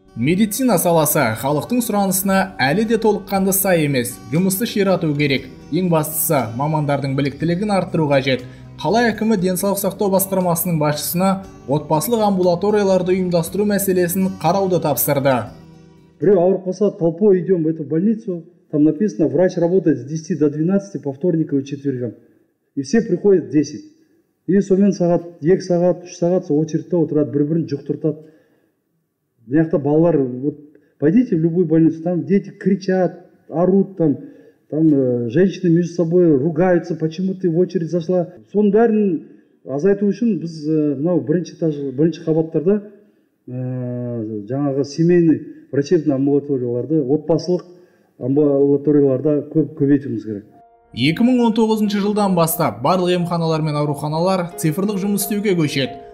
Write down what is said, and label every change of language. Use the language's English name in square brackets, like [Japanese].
[Kazakh] Медицина саласы халықтың сұранысына әлі де толыққанды сай емес, жұмысты ширату керек. Ең бастысы мамандардың біліктілігін арттыру қажет. Қала әкімі денсаулық сақтау басқармасының басшысына отбасылық амбулаторияларды ұйымдастыру мәселесін қарауды тапсырды. [Russian] Біреу ауырып қалса, толпой идем в эту больницу, там написано, врач работает с 10 до 12 по вторникам и четвергам. И все приходят 10. [Kazakh] И сонымен сағат, 2 сағат, 3 сағат, очередьте отырады, бір-бірін жұқтыртады. Нехта балалар, [Russian] вот пойдите в любую больницу, там дети кричат, орут, там женщины между собой ругаются, почему ты в очередь зашла. [Kazakh] Сон бәрін азайту үшін біз мынау бірінші этаж, бірінші қабаттарда жаңағы [Russian] семейный врачебный [Kazakh] амбулаторияларды, отбасылық амбулаторияларда көбейтуіміз керек. 2019 жылдан бастап барлық емханалар мен ауруханалар цифрлық жұмыс істеуге көшеді.